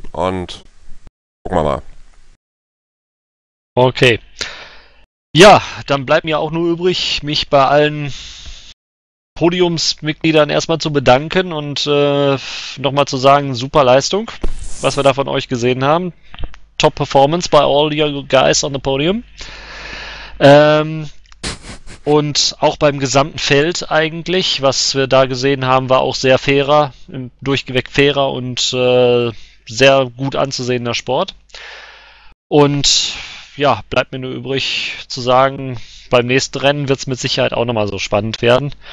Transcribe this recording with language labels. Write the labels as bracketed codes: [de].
[de] Und gucken wir mal. Okay. Ja, dann bleibt mir auch nur übrig, mich bei allen Podiumsmitgliedern erstmal zu bedanken und nochmal zu sagen, super Leistung, was wir da von euch gesehen haben. [en] Top Performance by all your guys on the podium. [de] Und auch beim gesamten Feld eigentlich, was wir da gesehen haben, war auch sehr fairer, durchweg fairer und sehr gut anzusehender Sport. Und ja, bleibt mir nur übrig zu sagen, beim nächsten Rennen wird es mit Sicherheit auch nochmal so spannend werden.